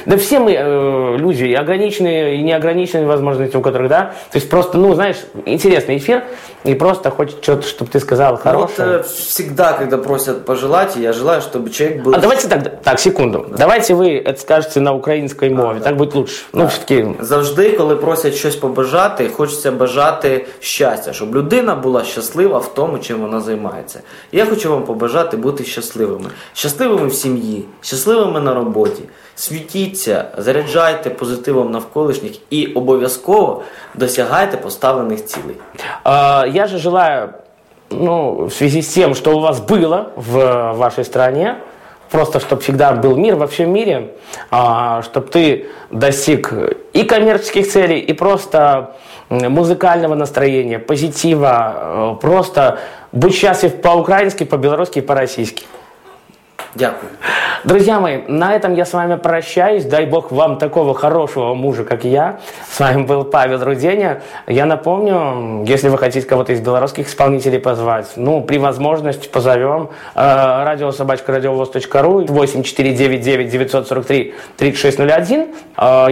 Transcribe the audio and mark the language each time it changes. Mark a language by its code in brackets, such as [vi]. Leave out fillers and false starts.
[ru] Да все мы люди, и ограниченные, и неограниченные возможности у которых, да? То есть просто, ну, знаешь, интересный эфир, и просто хочет что-то, чтобы ты сказал хорошее. Вот, всегда, когда просят пожелать, я желаю, чтобы человек был... А давайте так, так секунду, да. Давайте вы это скажете на украинской мове, да, так да. Будет лучше. Да. Ну, все-таки... [uk] Завжди, коли просят щось побажати, хочеться бажати щастя, щоб людина була щаслива в тому, чим вона займається. Я хочу вам побажати бути щасливими. Щасливими в сім'ї, щасливими на роботі. Світіться, заряджайте позитивом навколишніх і обов'язково досягайте поставлених цілей. [ru] Я же желаю, ну, в связи [uk] з тим, що у вас було в вашій країні, просто щоб завжди був мир во всьому світі, щоб ти досяг і комерційних цілей, і просто музикального настроєння, позитива, просто будь щасив [ru] по-украински, по-белорусски, по-российски. [uk] Дякую. [ru] Друзья мои, на этом я с вами прощаюсь. Дай Бог вам такого хорошего мужа, как я. С вами был Павел Руденя. Я напомню, если вы хотите кого-то из белорусских исполнителей позвать, ну, при возможности позовем. Радиособачка.радиовоз.ру 8-499-943-3601.